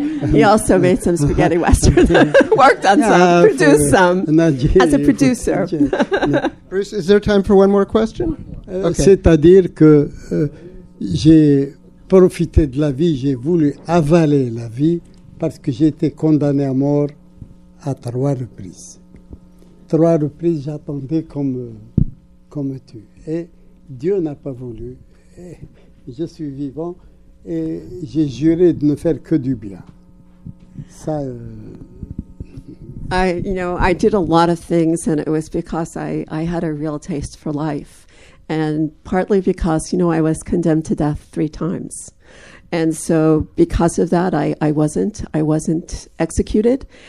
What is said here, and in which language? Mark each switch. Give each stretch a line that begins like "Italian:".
English: He also made some spaghetti westerns. Worked on some. Produced some. As a producer. Bruce, is there time for one more question?
French: Okay. C'est-à-dire que j'ai profiter de la vie, j'ai voulu avaler la vie parce que j'ai été condamné à mort à trois reprises. Trois reprises, j'attendais comme tu. Et Dieu n'a pas voulu. Et je suis vivant et j'ai juré de ne faire que du bien. Ça.
English: I did a lot of things, and it was because I had a real taste for life. And partly because, you know, I was condemned to death three times. And so because of that, I wasn't executed.